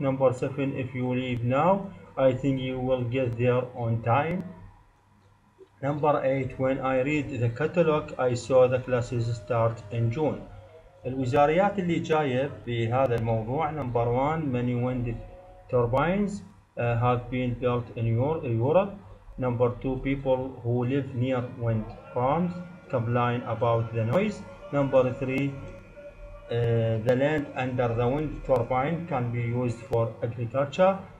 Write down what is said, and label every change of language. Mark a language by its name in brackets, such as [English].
[English] Number seven, if you leave now, I think you will get there on time. Number eight, when I read the catalog, I saw the classes start in June. [Arabic] الوزاريات اللي جاية بهذا الموضوع. [English] Number one, many wind turbines have been built in Europe. Number two, people who live near wind farms complain about the noise. Number three, the land under the wind turbine can be used for agriculture.